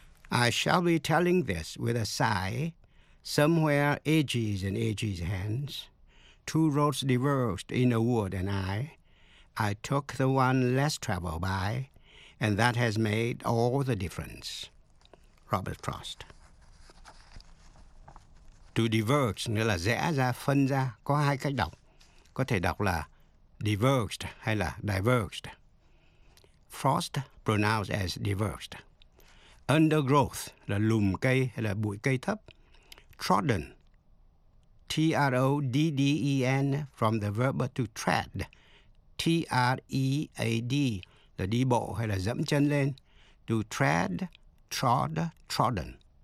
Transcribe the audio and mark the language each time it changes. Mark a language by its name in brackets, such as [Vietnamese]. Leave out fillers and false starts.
[English] I shall be telling this with a sigh, somewhere ages and ages hence. Two roads diverged in a wood and I took the one less traveled by, and that has made all the difference. Robert Frost. [Vietnamese] To diverge nghĩa là rẽ ra, phân ra. Có hai cách đọc. Có thể đọc là diverged hay là diverged. [English] Frost pronounced as diverged. [Vietnamese] Undergrowth là lùm cây hay là bụi cây thấp. Trodden [English] T-R-O-D-D-E-N, from the verb to tread, T-R-E-A-D, [Vietnamese] là đi bộ hay là dẫm chân lên, [English] to tread, trod, trodden.